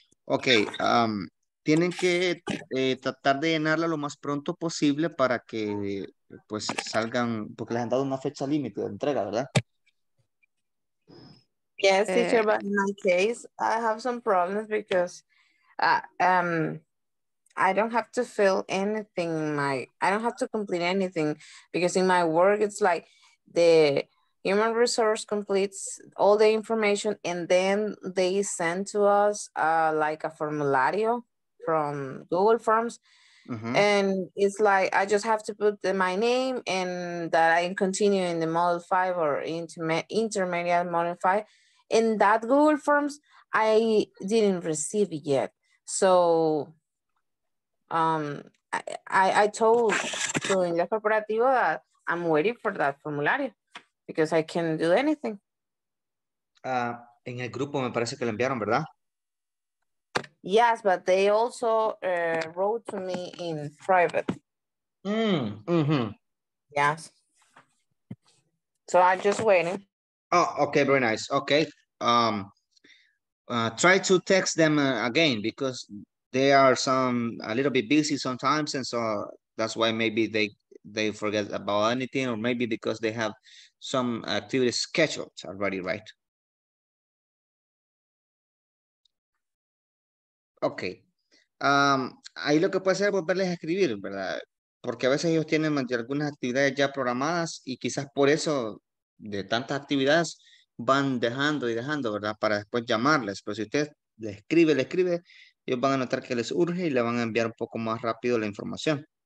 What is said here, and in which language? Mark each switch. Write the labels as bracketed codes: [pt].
[es] Ok, tienen que tratar de llenarla lo más pronto posible para que pues salgan, porque les han dado una fecha límite de entrega, ¿verdad? [en] Yes, teacher, but in my case, I have some problems because I don't have to fill anything, I don't have to complete anything because in my work, it's like the human resource completes all the information and then they send to us like a formulario from Google Forms. Mm-hmm. And it's like, I just have to put my name and that I continue in the model 5 or intermediate model 5. In that Google Forms, I didn't receive it yet. So I told to Inglés Corporativo that I'm waiting for that formulario. Because I can do anything. [es] En el grupo me parece que lo enviaron, ¿verdad? [en] Yes, but they also wrote to me in private. Yes. So I'm just waiting. Oh, okay, very nice. Okay. Try to text them again because they are a little bit busy sometimes, and so that's why maybe they forget about anything, or maybe because they have some activities scheduled already, right? Ok. [es] Ahí lo que puede hacer es volverles a escribir, ¿verdad? Porque a veces ellos tienen algunas actividades ya programadas y quizás por eso de tantas actividades van dejando y dejando, ¿verdad? Para después llamarles. Pero si usted le escribe, ellos van a notar que les urge y le van a enviar un poco más rápido la información.